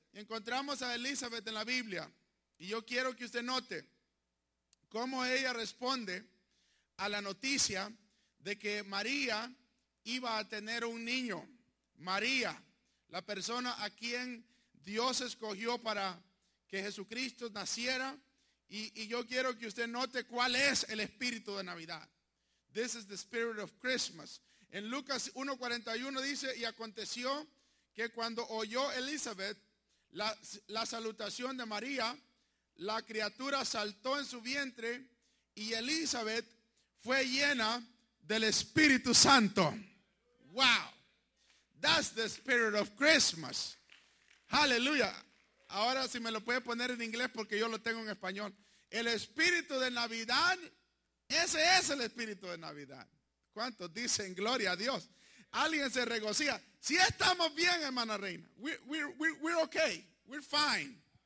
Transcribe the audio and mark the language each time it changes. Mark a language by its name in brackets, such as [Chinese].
[Spanish] Encontramos a Elizabeth en la Biblia. Y yo quiero que usted note cómo ella responde a la noticia de que María iba a tener un niño. María, la persona a quien Dios escogió para que Jesucristo naciera. Y yo quiero que usted note cuál es el espíritu de Navidad. [English] This is the spirit of Christmas. [Spanish] En Lucas 1:41 dice, y aconteció que cuando oyó Elizabeth la salutación de María, la criatura saltó en su vientre y Elizabeth fue llena del Espíritu Santo. [English] Wow. That's the spirit of Christmas. Hallelujah. [Spanish] Ahora si me lo puede poner en inglés porque yo lo tengo en español. El espíritu de Navidad, ese es el espíritu de Navidad. ¿Cuántos dicen gloria a Dios? Alguien se regocija. Si estamos bien, hermana Reina. [English] We're okay. We're fine.